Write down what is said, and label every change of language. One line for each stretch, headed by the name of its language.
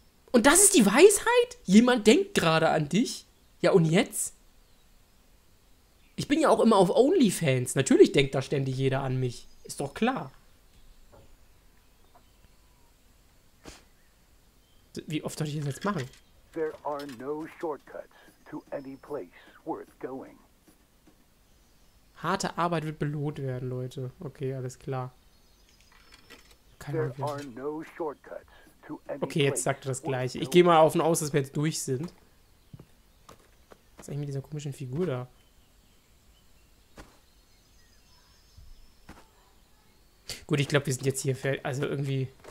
German: Und das ist die Weisheit? Jemand denkt gerade an dich? Ja, und jetzt? Ich bin ja auch immer auf OnlyFans. Natürlich denkt da ständig jeder an mich. Ist doch klar. Wie oft soll ich das jetzt machen?
English: There are no shortcuts to any place worth going.
German: Harte Arbeit wird belohnt werden, Leute. Okay, alles klar.
English: There are no shortcuts to any
German: okay, jetzt sagt er das Gleiche. Ich gehe mal davon aus, dass wir jetzt durch sind. Was ist eigentlich mit dieser komischen Figur da? Gut, ich glaube, wir sind jetzt hier fertig. Also irgendwie...